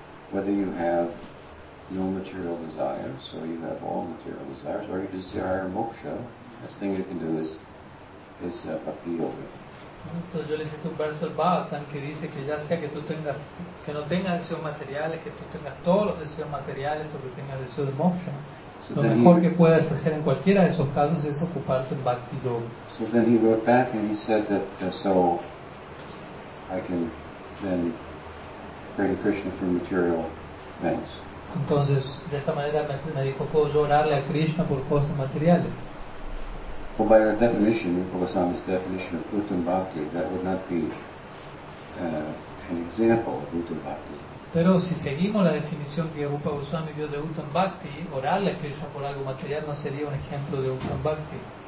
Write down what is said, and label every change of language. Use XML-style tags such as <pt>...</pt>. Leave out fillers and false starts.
<en>Whether you have no material desires, or you have all material desires, or you desire moksha, the best thing you can do is Bhakti Yoga.</en> <es>Entonces yo le cito un verso del Bhagavatam que dice que ya sea que tú tengas, que no tengas deseos materiales, que tú tengas todos los deseos materiales o que tengas deseos de moksha, lo mejor que puedas hacer en cualquiera de esos casos es ocuparte en Bhakti Yoga.</es> <en>So then he wrote back and he said that so I can then pray to Krishna for material things.</en> <es>Entonces de esta manera me dijo, ¿puedo yo orarle a Krishna por cosas materiales?</es> <en>Well, by our definition, Rupa Goswami's definition of Putan Bhakti, that would not be an example of Putan Bhakti.</en> <es>Pero si seguimos la definición que Rupa Goswami dio de Putan Bhakti, orarle a Krishna por algo material no sería un ejemplo de Putan Bhakti.</es>